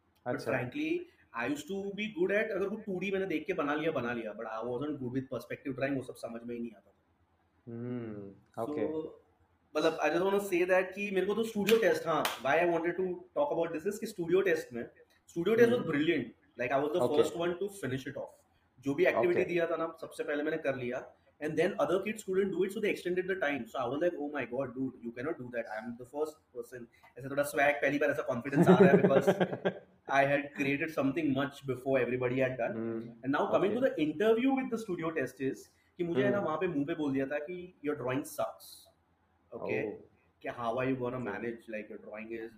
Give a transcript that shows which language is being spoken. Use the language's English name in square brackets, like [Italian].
[English] But frankly, I used to be good at, [Hindi] अगर कुछ 2D मैंने देख के बना लिया, [English] but I wasn't good with perspective drawing, [Hindi] वो सब समझ में ही नहीं आता था. [English] Okay. So, [Hindi] मतलब [English] I just want to say that [Hindi] कि मेरे को तो [English] studio test, [Hindi] हाँ, [English] why I wanted to talk about this is [Hindi] कि [English] studio test was brilliant. Like I was the first one to finish it off. [Hindi] जो भी activity दिया था ना, सबसे पहले मैंने कर लिया. [English] And then other kids couldn't do it, so they extended the time. So I was like, oh my god, dude, you cannot do that. I'm the first person. [Hindi] ऐसा थोड़ा swag, पहली बार ऐसा confidence आ रहा है [English] because I had created something much before everybody had done. And now coming to the interview with the studio test is [Hindi] कि मुझे है ना वहाँ पे मुंह पे बोल दिया था कि [English] your drawing sucks. Okay. Oh. कि how are you gonna manage like your drawing is